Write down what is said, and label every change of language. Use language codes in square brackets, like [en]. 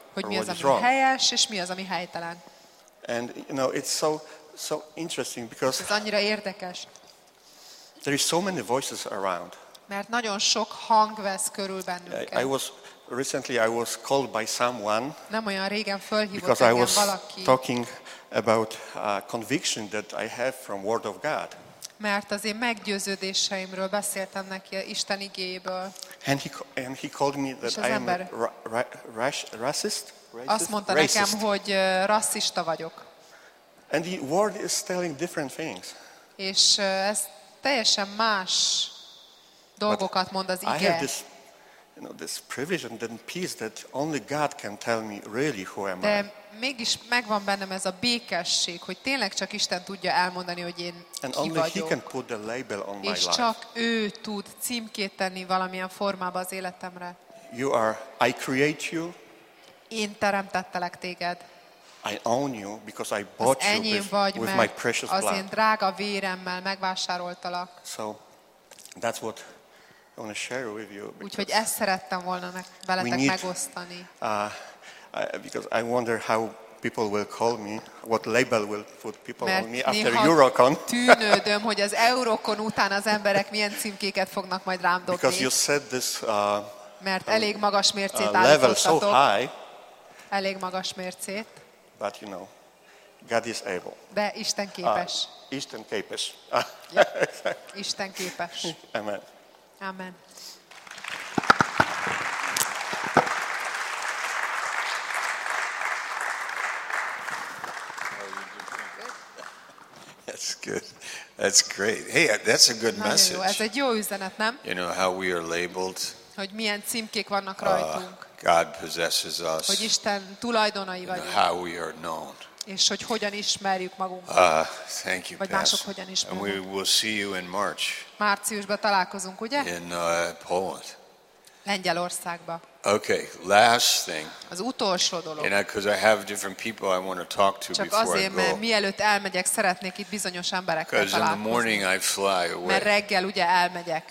[hu] Hogy mi az, ami helyes és mi az, ami helytelen. [en] And you know, it's so interesting because [hu] ez annyira érdekes. [en] There is so many voices around. [hu] Mert nagyon sok hang vesz körül bennünket. [en] I was recently called by someone. [hu] Nem olyan régen felhívott engem [en] I was talking about conviction that I have from Word of God. [hu] Mert az én meggyőződéseimről beszéltem neki Isten igéből. [en] And he called me that I am racist. [hu] Azt mondta nekem, hogy rasszista vagyok. [en] And the word is telling different things. [hu] És ez teljesen más dolgokat mond az ige. [en] I have this, you know, this privilege and then peace that only God can tell me really who am I. [hu] De mégis megvan bennem ez a békesség, hogy tényleg csak Isten tudja elmondani, hogy én [en] and [hu] ki [en] only [hu] vagyok. [en] He can put the label on my [hu] és [en] life. [hu] Csak ő tud címkét tenni valamilyen formába az életemre. [en] You are, I create you. [hu] Én teremtettelek téged. [en] I own you because I bought you with my precious blood. [hu] Az én drága véremmel megvásároltalak. [en] So that's what I want to share with you. [hu] Úgyhogy ezt szerettem volna veletek megosztani. [en] Because I wonder how people will call me, what label will put people on me after Eurocon. [hu] Tűnődöm, hogy az Eurocon után az emberek milyen címkéket fognak majd rám dobni. [en] Because you said this [hu] mert elég magas mércét állítottatok. [en] So high. [hu] Elég magas mércét. [en] But you know, God is able. [hu] De Isten képes. Isten képes. Isten képes. Amen. Amen. [en] That's good. That's great. Hey, that's a good message. [hu] Ez egy jó üzenet, nem? [en] You know how we are labeled. [hu] Hogy milyen címkék vannak rajtunk. [en] God possesses us. [hu] Hogy Isten tulajdonai vagyunk. [en] How we are known. [hu] És hogy hogyan ismerjük magunkat. [en] Thank you, [hu] vagy mások hogyan ismerjük. [en] And we will see you in March. [hu] Márciusban találkozunk, ugye? [en] In Poland. [hu] Lengyelországba. [en] Okay, last thing. [hu] Az utolsó dolog. [en] And because I have different people I want to talk to [hu] csak [en] before [hu] azért, [en] I go. [hu] Mielőtt elmegyek, szeretnék itt bizonyos emberekkel találkozni. [en] Because in the morning I fly away. [hu] Mert reggel ugye elmegyek,